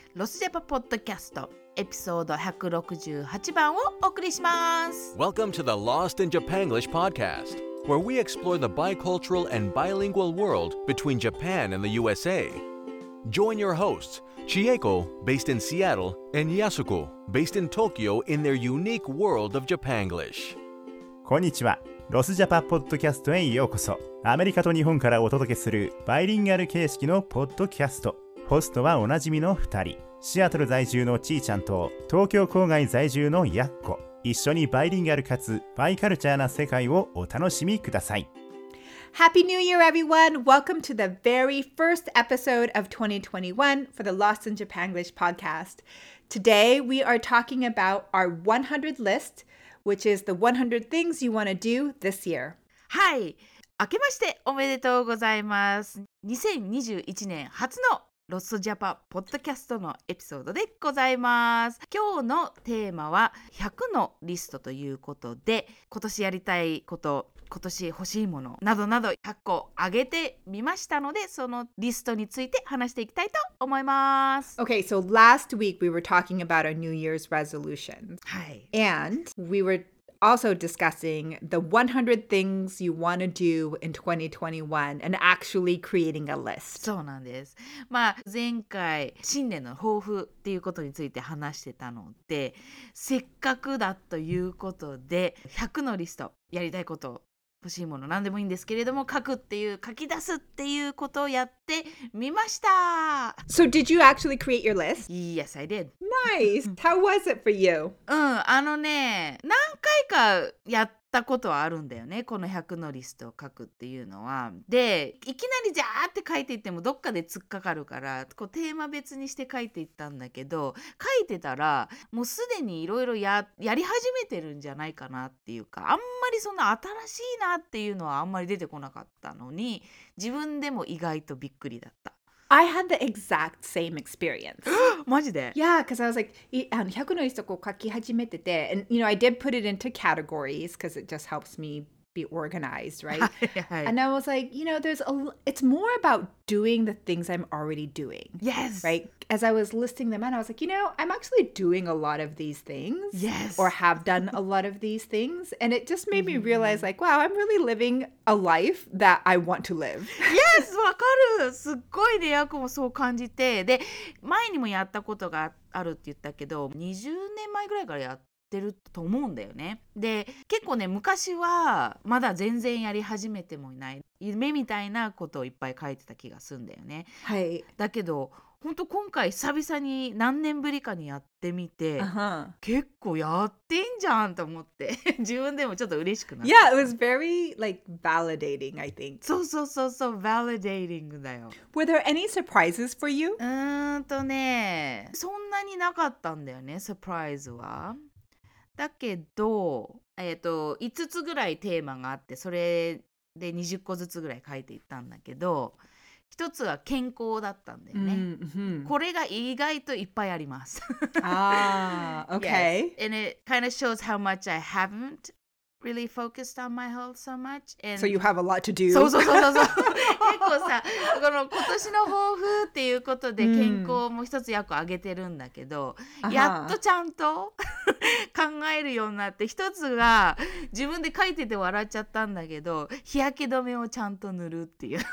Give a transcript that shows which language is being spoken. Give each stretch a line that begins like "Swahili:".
Japanese: ロスジャパポッドキャスト、エピソード168番をお送りします。
English: Welcome to the Lost in Japan English Podcast, where we explore the bicultural and bilingual world between Japan and the USA. Join your hosts, Chieko, based in Seattle, and Yasuko, based in Tokyo, in their unique world of Japanglish.
Japanese: こんにちは。ロスジャパポッドキャストへようこそ。アメリカと日本からお届けするバイリンガル形式のポッドキャスト。ホストはおなじみの2人、シアトル在住のちーちゃんと東京郊外在住のやっこ。一緒にバイリンガルかつバイカルチャーな世界をお楽しみください。
English: Happy New Year everyone! Welcome to the very first episode of 2021 for the Lost in Japan English Podcast. Today we are talking about our 100 listwhich is the 100 things you want to do this year.
Japanese: はい、明けましておめでとうございます。 2021年初のロストジャパポッドキャストのエピソードでございます。今日のテーマは100のリストということで、今年やりたいこと、今年欲しいものなどなど100個挙げてみましたので、そのリストについて話していきたいと思います。
English: Okay, so last week we were talking about our New Year's resolutions.
Japanese: はい。
English: And we were also discussing the 100 things you want to do in 2021 and actually creating a list.
Japanese: そうなんです。まあ前回新年の抱負っていうことについて話してたので、せっかくだということで100のリスト、やりたいこと、欲しいもの、何でもいいんですけれども書くっていう、書き出すっていうことをやってみました。
English: So did you actually create your list? Yes, I did. Nice! How was it for you?
Japanese: うん、あのね、何回かやったことはあるんだよね、この100のリストを書くっていうのは。で、いきなりじゃーって書いていってもどっかで突っかかるから、こうテーマ別にして書いていったんだけど、書いてたらもうすでにいろいろやり始めてるんじゃないかなっていうか、あんまりそんな新しいなっていうのはあんまり出てこなかったのに、自分でも意外とびっくりだった。
English: I had the exact same experience.
Japanese: マジで?
English: Yeah, because I was like,
Japanese: 100のリストを書き始めてて、
English: and you know, I did put it into categories because it just helps me be organized, right? And I was like, you know, it's more about doing the things I'm already doing. Yes. Right? As I was listing them out, I was like, you know, I'm actually doing a lot of these things. Yes. Or have done a lot of these things. And it just made me realize, like, wow, I'm really living a life that I want to live.
Japanese: Yes, わかる。すっごいね、ヤコもそう感じて。で、前にもやったことがあるって言ったけど、20年前ぐらいからやった。てると思うんだよね。で、結構ね、昔はまだ全然やり始めてもいない夢みたいなことをいっぱい書いてた気がするんだよね。はい。だけど本当今回久々に何年ぶりかにやってみて、 uh-huh. 結構やってんじゃんと思って自分でもちょっと嬉しくなった
English: 。 Yeah, it was very like validating, I think.
Japanese: そうそうそうそう、 validating だよ。
English: Were there any surprises for you?
Japanese: ね、そんなになかったんだよね、サプライズは。だけど、5つぐらいテーマがあって、それで20個ずつぐらい書いていったんだけど、一つは健康だったんだよね。 Mm-hmm. これが意外といっぱいあります。
English: ah, okay. Yes. And it kind of shows how much I haven't really focused on my health so much. And so you have a lot to do.
Japanese: そうそうそうそう。結構さ、この今年の抱負っていうことで健康も一つ約挙げてるんだけど、mm-hmm. やっとちゃんと考えるようになって、一つが自分で書いてて笑っちゃったんだけど、日焼け止めをちゃんと塗るっていう。